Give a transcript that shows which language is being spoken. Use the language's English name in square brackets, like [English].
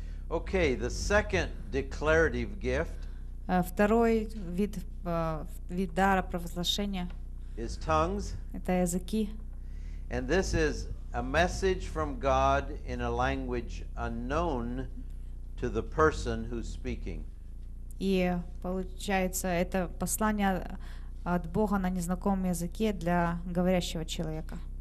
[English] Okay, the second declarative gift. [Russian] Второй вид вид дара провозглашения. [English] Is tongues. [Russian] Это языки. [English] And this is a message from God in a language unknown to the person who's speaking. [Russian] И получается, это послание от Бога на незнакомом языке для говорящего человека.